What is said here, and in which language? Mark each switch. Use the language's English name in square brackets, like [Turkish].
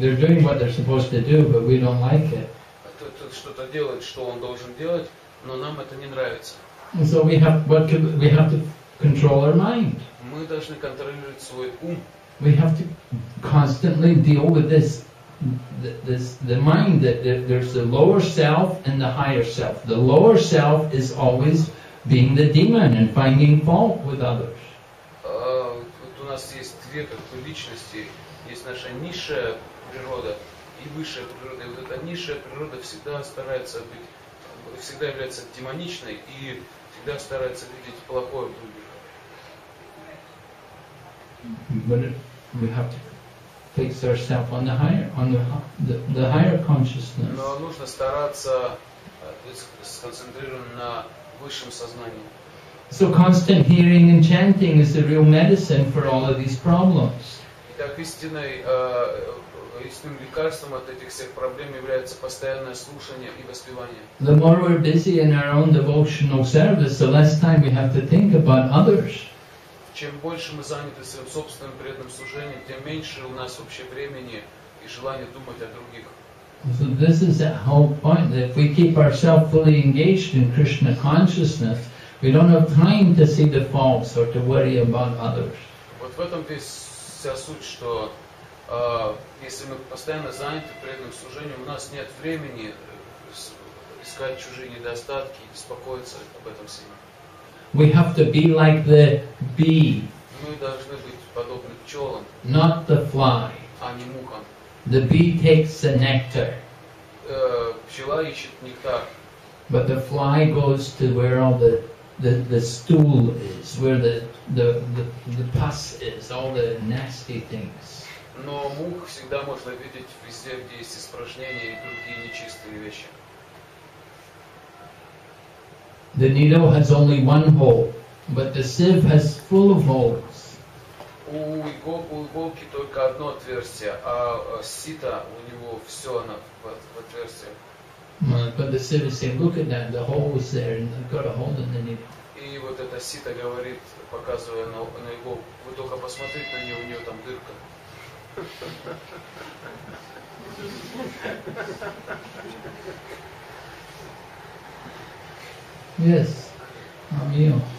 [English] They're doing what they're supposed to do, but we don't like it. [Russian] Тот что-то делает, что он должен делать, но нам это не нравится. [English] So we have to control our mind. [Russian] Мы должны контролировать свой ум. [English] We have to constantly deal with this mind that there's the lower self and the higher self. The lower self is always being the demon and finding fault with others. [Russian] Вот у нас есть две такие личности. Есть наша низшая природа и высшая природа. И вот эта низшая природа всегда старается быть, всегда является демоничной и всегда старается видеть плохое в других. [English] we have to fix ourselves on the higher, on the higher consciousness. [Russian] Но нужно стараться сконцентрироваться на высшем сознании. [English] So constant hearing and chanting is the real medicine for all of these problems. [Russian] Итак, истинным лекарством от этих всех проблем является постоянное слушание и воспевание. [English] The more we're busy in our own devotional service, the less time we have to think about others. [Russian] Чем больше мы заняты своим собственным преданным служением, тем меньше у нас вообще времени и желания думать о других. [English] So this is the whole point, that if we keep ourselves fully engaged in Krishna consciousness, we don't have time to see the faults or to worry about others. [Russian] Вот в этом вся суть, что если мы постоянно заняты преданным служением, у нас нет времени искать чужие недостатки и беспокоиться об этом всем. [English] We have to be like the bee. [Russian] Мы должны быть подобны пчелам. [English] Not the fly. [Russian] А не мухам. [English] The bee takes the nectar. [Russian] Пчела ищет нектар. [English] But the fly goes to where all the stool is, where the pus is, all the nasty things. [Russian] Но мух всегда можно видеть везде, где есть испражнения и другие нечистые вещи. [English] The needle has only one hole, but the sieve has full of holes. [Russian] У иголки только одно отверстие, а сито у него все на отверстие. [English] But the sieve is saying, look at that, the hole is there, and I've got a hole in the needle. [Russian] И вот это сито говорит, показывая на иголку, вы только посмотрите на нее, у нее там дырка. [English] Yes, I'm you.